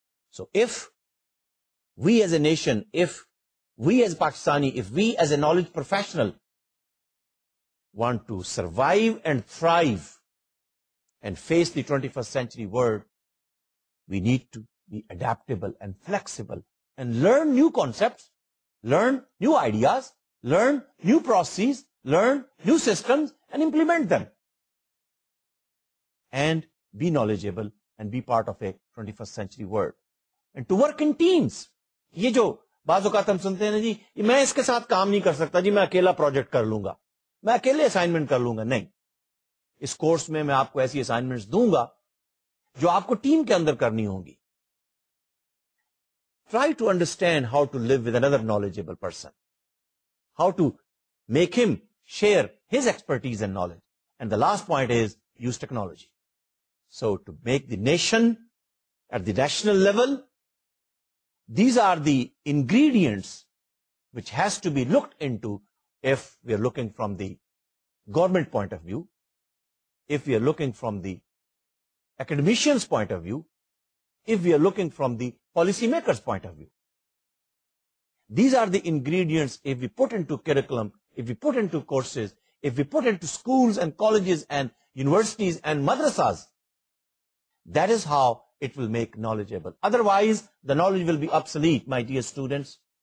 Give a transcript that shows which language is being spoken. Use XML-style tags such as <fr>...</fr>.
<en>So if we as a nation, if we as Pakistani, if we as a knowledge professional want to survive and thrive and face the 21st century world, we need to be adaptable and flexible and learn new concepts, learn new ideas, learn new processes, learn new systems and implement them. And be knowledgeable and be part of a 21st century world. And to work in teams.</en> <ur>یہ جو بعض اوقات ہم سنتے ہیں نا جی میں اس کے ساتھ کام نہیں کر سکتا جی میں اکیلا پروجیکٹ کر لوں گا میں اکیلے اسائنمنٹ کر لوں گا نہیں اس کورس میں میں آپ کو ایسی اسائنمنٹس دوں گا جو آپ کو ٹیم کے اندر کرنی ہوں گی</ur> <en>Try to understand how to live with another knowledgeable person how to make him share his expertise and knowledge and the last point is use technology so to make the nation at the national level These are the ingredients which has to be looked into if we are looking from the government point of view, if we are looking from the academician's point of view, if we are looking from the policymaker's point of view. These are the ingredients if we put into curriculum, if we put into courses, if we put into schools and colleges and universities and madrasas. That is how it will make knowledgeable. Otherwise, the knowledge will be obsolete, my dear students.</en>